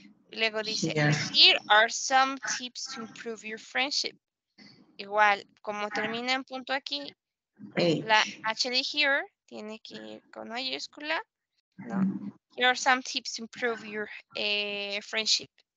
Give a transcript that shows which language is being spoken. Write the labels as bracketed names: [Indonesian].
[Spanish] Luego dice, [English] here are some tips to improve your friendship. [Spanish] Igual, como termina en punto aquí, la H de here tiene que ir con mayúscula, ¿no? [English] Here are some tips to improve your friendship.